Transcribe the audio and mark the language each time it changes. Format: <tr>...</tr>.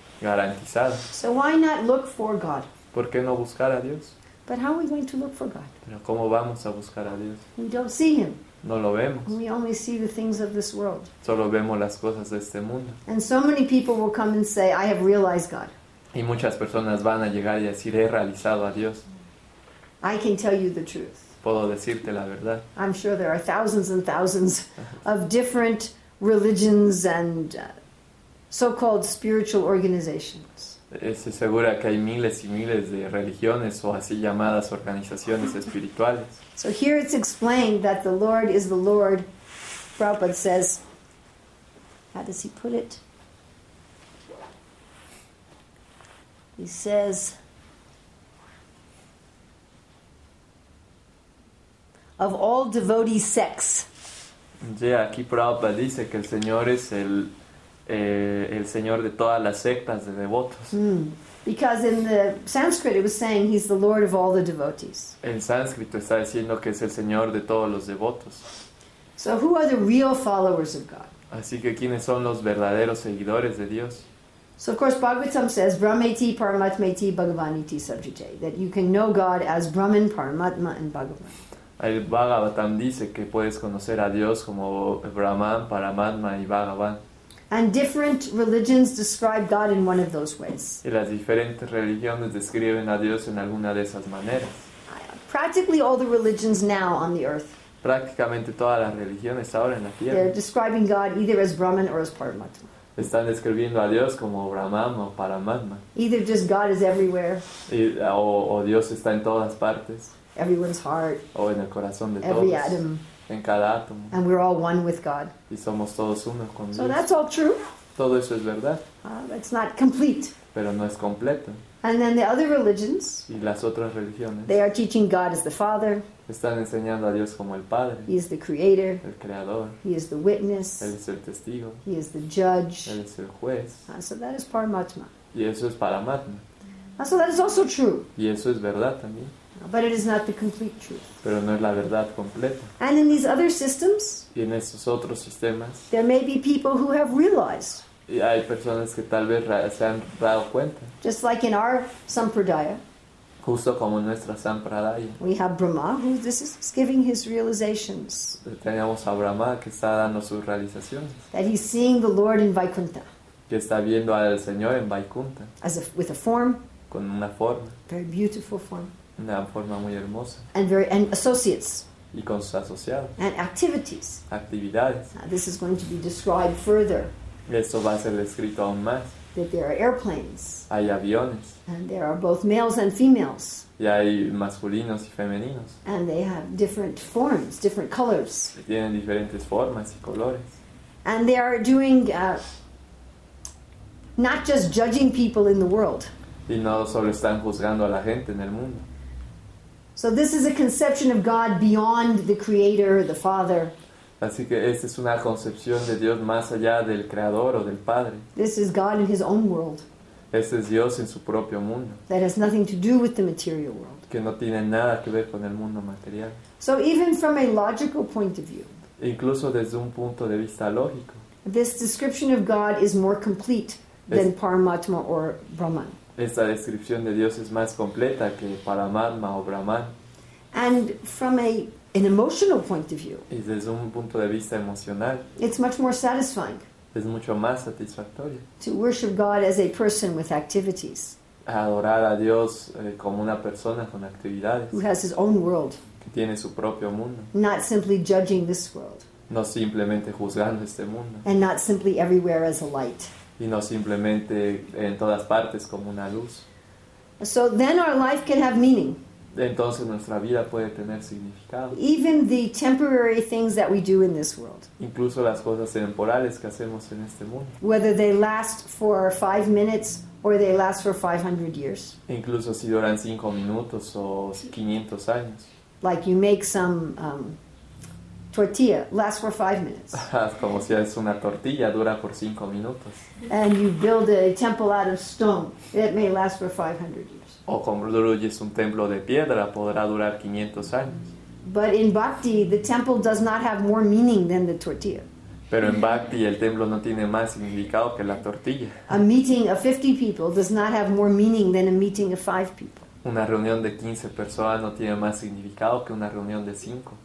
<es>Garantizado.</es> <en>So why not look for God?</en> <es>¿Por qué no buscar a Dios?</es> <en>But how are we going to look for God?</en> <es>¿Pero cómo vamos a buscar a Dios?</es> <en>We don't see him.</en> <es>No lo vemos.</es> <en>We only see the things of this world.</en> <es>Solo vemos las cosas de este mundo.</es> <en>And so many people will come and say, I have realized God.</en> <es>Y muchas personas van a llegar y decir, he realizado a Dios.</es> <en>I can tell you the truth.</en> <es>Puedo decirte la verdad.</es> <en>I'm sure there are thousands and thousands of different religions and so-called spiritual organizations.</en> <es>Estoy segura que hay miles y miles de religiones o así llamadas organizaciones espirituales.</es> <en>So here it's explained that the Lord is the Lord. Prabhupada says, how does he put it? He says, of all devotee sects.</en> <es>Yeah, aquí Prabhupada dice que el Señor es el Señor de todas las sectas de devotos. Mm.</es> <en>Because in the Sanskrit it was saying he's the Lord of all the devotees.</en> <es>En sánscrito está diciendo que es el Señor de todos los devotos.</es> <en>So who are the real followers of God?</en> <es>Así que ¿quiénes son los verdaderos seguidores de Dios?</es> <en>So of course Bhagavatam says</en> <sa>Brahmeti Paramatmeti Bhagavaniti Subjite,</sa> <en>that you can know God as Brahman, Paramatma and Bhagavan.</en> <es>El Bhagavatam dice que puedes conocer a Dios como Brahman, Paramatma y Bhagavan.</es> <en>And different religions describe God in one of those ways.</en> <es>Y las diferentes religiones describen a Dios en alguna de esas maneras.</es> <en>Practically all the religions now on the earth.</en> <es>Prácticamente todas las religiones ahora en la tierra.</es> <en>They're describing God either as Brahman or as Paramatma.</en> <es>Están describiendo a Dios como Brahman o Paramatma.</es> <en>Either just God is everywhere.</en> <es>O Dios está en todas partes.</es> <en>Everyone's heart.</en> <es>O en el corazón de</es> <en>every</en> <es>todos.</es> <en>Every atom.</en> <es>En cada átomo.</es> <en>And we're all one with God.</en> <es>Y somos todos uno con Dios.</es> <en>So that's all true.</en> <es>Todo eso es verdad.</es> <en>It's not complete.</en> <es>Pero no es completo.</es> <en>And then the other religions.</en> <es>Y las otras religiones.</es> <en>They are teaching God as the Father.</en> <es>Están enseñando a Dios como el Padre.</es> <en>He is the Creator.</en> <es>El Creador.</es> <en>He is the Witness.</en> <es>Él es el Testigo.</es> <en>He is the Judge.</en> <es>Él es el Juez.</es> <en>So that is Paramatma.</en> <es>Y eso es Paramatma.</es> <en>So that is also true.</en> <es>Y eso es verdad también.</es> <en>But it is not the complete truth.</en> <es>Pero no es la verdad completa.</es> <en>And in these other systems,</en> <es>y en esos otros sistemas,</es> <en>there may be people who have realized.</en> <es>Y hay personas que tal vez se han dado cuenta.</es> <en>Just like in our Sampradaya.</en> <es>Justo como en nuestra Sampradaya.</es> <en>We have Brahma who this is giving his realizations.</en> <es>Tenemos a Brahma que está dando sus realizaciones.</es> <en>That he's seeing the Lord in Vaikuntha.</en> <es>Que está viendo al Señor en Vaikuntha.</es> <en>As a, with a form.</en> <es>Con una forma.</es> <en>Very beautiful form.</en> <es>Una forma muy hermosa.</es> <en>And very and associates.</en> <es>Y con sus asociados.</es> <en>And activities.</en> <es>Actividades.</es> <en>Now, this is going to be described further.</en> <es>Esto va a ser descrito aún más.</es> <en>That there are airplanes.</en> <es>Hay aviones.</es> <en>And there are both males and females.</en> <es>Y hay masculinos y femeninos.</es> <en>And they have different forms, different colors.</en> <es>Y tienen diferentes formas y colores.</es> <en>And they are doing not just judging people in the world.</en> <es>Y no solo están juzgando a la gente en el mundo.</es> <en>So this is a conception of God beyond the Creator, the Father.</en> <es>Así que esta es una concepción de Dios más allá del Creador o del Padre.</es> <en>This is God in his own world.</en> <es>Este es Dios en su propio mundo.</es> <en>That has nothing to do with the material world.</en> <es>Que no tiene nada que ver con el mundo material.</es> <en>So even from a logical point of view.</en> <es>Incluso desde un punto de vista lógico.</es> <en>This description of God is more complete than Paramatma or Brahman.</en> <es>Esta descripción de Dios es más completa que Paramatma o Brahman.</es> <en>And from an emotional point of view.</en> <es>Y desde un punto de vista emocional.</es> <en>It's much more satisfying.</en> <es>Es mucho más satisfactorio.</es> <en>To worship God as a person with activities.</en> <es>Adorar a Dios como una persona con actividades.</es> <en>Who has his own world.</en> <es>Que tiene su propio mundo.</es> <en>Not simply judging this world.</en> <es>No simplemente juzgando este mundo.</es> <en>And not simply everywhere as a light.</en> <es>Y no simplemente en todas partes como una luz.</es> <en>So then our life can have meaning.</en> <es>Entonces nuestra vida puede tener significado.</es> <en>Even the temporary things that we do in this world.</en> <es>Incluso las cosas temporales que hacemos en este mundo.</es> <en>Whether they last for 5 minutes or they last for 500 years.</en> <es>Incluso si duran 5 minutos o 500 años.</es> <en>Like you make some tortilla, lasts for 5 minutes.</en> <es>Como si es una tortilla, dura por 5 minutos.</es> <en>And you build a temple out of stone, it may last for 500 years.</en> <es>O construyes un templo de piedra, podrá durar 500 años.</es> <en>But in bhakti, the temple does not have more meaning than the tortilla.</en> <es>Pero en bhakti, el templo no tiene más significado que la tortilla.</es> <en>A meeting of 50 people does not have more meaning than a meeting of 5 people.</en> <es>Una reunión de 15 personas no tiene más significado que una reunión de 5.</es>